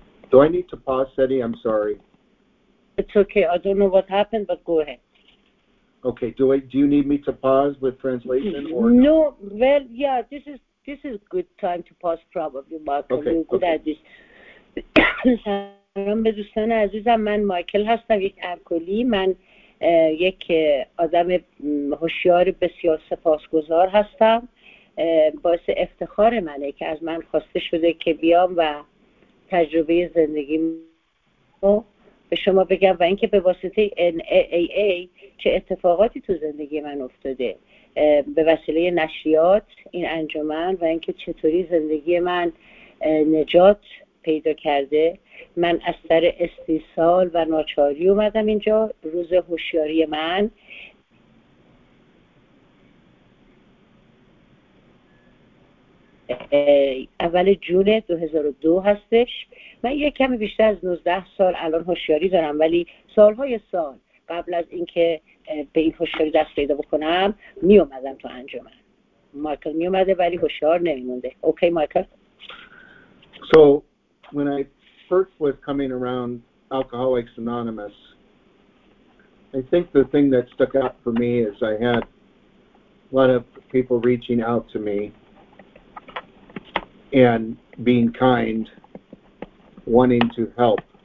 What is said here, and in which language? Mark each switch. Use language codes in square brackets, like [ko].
[en] Do I need to pause, Eddie? I'm sorry. It's okay. I don't know what happened, but go ahead. Okay. Do you need me to pause with translation or no? Well, yeah. This is good time to pause, probably, Michael. Okay. You're good okay. at this. [fa] سلام به دوستان عزیزم، من مایکل هستم، یک الکلی. من یک آدم هوشیار بسیار سپاسگزار هستم. باعث افتخار منه که از من خواسته شده که بیام و تجربه زندگی رو به شما بگم و اینکه به واسطه NAA چه اتفاقاتی تو زندگی من افتاده به وسیله نشریات این انجمن و اینکه چطوری زندگی من نجات پیدا کرده. من از سر استیصال و ناچاری اومدم اینجا روز هوشیاری من. اول جون 2002 هستش. من یک کمی بیشتر از 19 سال الان هوشیاری دارم، ولی سالهای سال قبل از اینکه به این هوشیاری دست پیدا بکنم می اومدم تو انجمن. مایکل می اومده ولی هوشیار نمیمونده. اوکی مایکل. [en] So when I first was coming around Alcoholics Anonymous, I think the thing that stuck out for me is I had a lot of people reaching out to me and being kind, wanting to help.